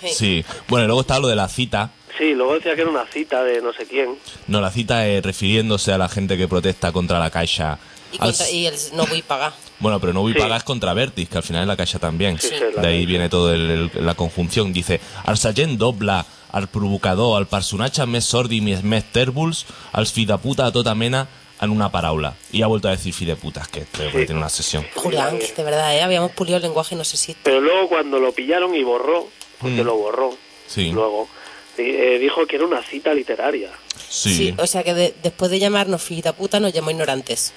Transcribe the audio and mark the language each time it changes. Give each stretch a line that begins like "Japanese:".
Spanish: Sí, bueno, y luego estaba lo de la cita. Sí, luego decía que era una cita de no sé quién. No, la cita es refiriéndose a la gente que protesta contra la Caixa. Y el no voy a pagar. Bueno, pero no voy a pagar es contra Vertis, que al final es la Caixa también. Sí. De ahí viene todo la conjunción. Dice, al Sallén dobla...
Catalan: al provocador, al personatge més sordi i més tèrbols, als fi de puta de tota mena, en una paraula.
Spanish: I ha vuelto a decir fi de putas, que creo que tiene una sesión. Julián, de verdad, habíamos pulido el lenguaje, no sé si... Pero luego cuando lo pillaron y borró, porque lo borró, sí, luego, dijo que era una cita literaria. Sí. Sí, o sea que después de llamarnos fi de puta, nos llamó ignorantes.